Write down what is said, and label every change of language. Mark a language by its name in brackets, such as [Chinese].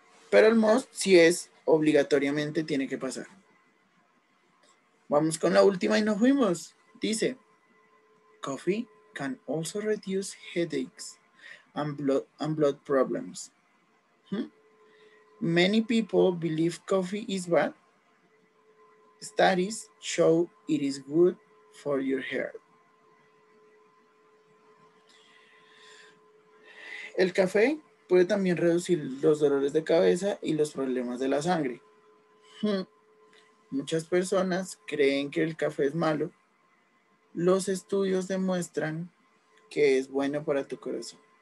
[Spanish] Pero el must, si es, obligatoriamente tiene que pasar. Vamos con la última y nos fuimos. Dice, [English] coffee can also reduce headaches and blood problems. ¿Mm? Many people believe coffee is bad. Studies show it is good for your hair. [Spanish] El café puede también reducir los dolores de cabeza y los problemas de la sangre. Muchas personas creen que el café es malo. Los estudios demuestran que es bueno para tu corazón.